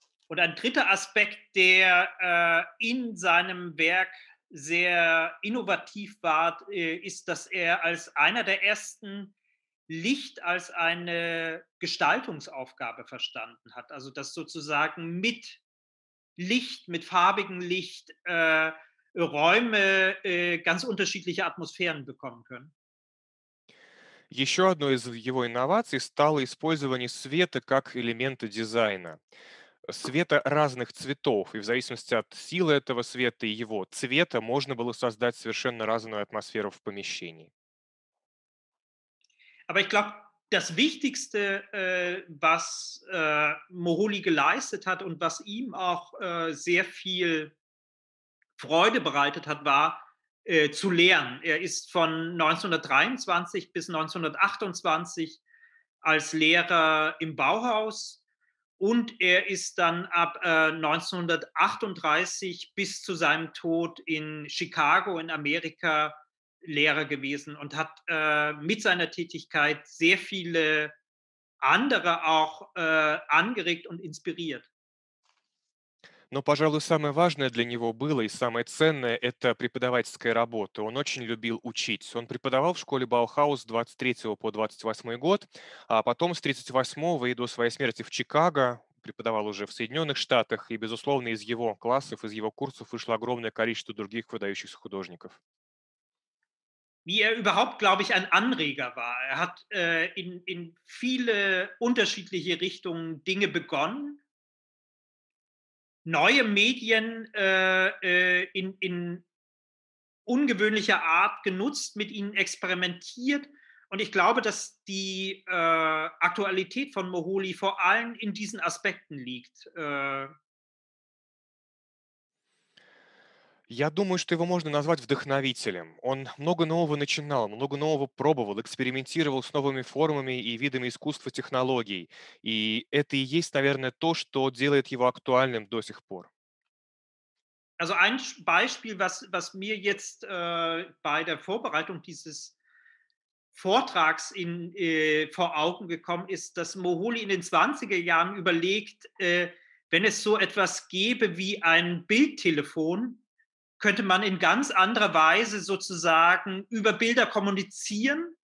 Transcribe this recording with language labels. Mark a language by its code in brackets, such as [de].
[de] Und ein dritter Aspekt, der in seinem Werk sehr innovativ war, ist, dass er als einer der ersten Licht als eine Gestaltungsaufgabe verstanden hat. Also dass sozusagen mit Licht, mit farbigem Licht Räume ganz unterschiedliche Atmosphären bekommen können. [ru] Еще одной из его инноваций стало использование света как элемента дизайна. Света разных цветов, и в зависимости от силы этого света и его цвета можно было создать совершенно разную атмосферу в помещении. [de] Aber ich glaube, das Wichtigste, was Moholy geleistet hat und was ihm auch sehr viel Freude bereitet hat, war zu lernen. Er ist von 1923 bis 1928 als Lehrer im Bauhaus. Und er ist dann ab 1938 bis zu seinem Tod in Chicago in Amerika Lehrer gewesen und hat mit seiner Tätigkeit sehr viele andere auch angeregt und inspiriert. [ru] Но, пожалуй, самое важное для него было и самое ценное – это преподавательская работа. Он очень любил учить. Он преподавал в школе Баухаус с 23 по 28 год, а потом с 38 и до своей смерти в Чикаго преподавал уже в Соединенных Штатах, и, безусловно, из его классов, из его курсов вышло огромное количество других выдающихся художников. [de] Wie er überhaupt, glaube ich, ein Anreger war. Er hat in viele unterschiedliche Richtungen Dinge begonnen, neue Medien in ungewöhnlicher Art genutzt, mit ihnen experimentiert. Und ich glaube, dass die Aktualität von Moholy vor allem in diesen Aspekten liegt. [ru] Я думаю, что его можно назвать вдохновителем. Он много нового начинал, много нового пробовал, экспериментировал с новыми формами и видами искусства, технологий. И это и есть, наверное, то, что делает его актуальным до сих пор. [de] Also ein Beispiel, was mir jetzt bei der Vorbereitung dieses Vortrags vor Augen gekommen ist, dass Moholy in den 20er Jahren überlegt, wenn es so etwas gäbe wie ein Bildtelefon, könnte man in ganz anderer Weise sozusagen über Bilder kommunizieren.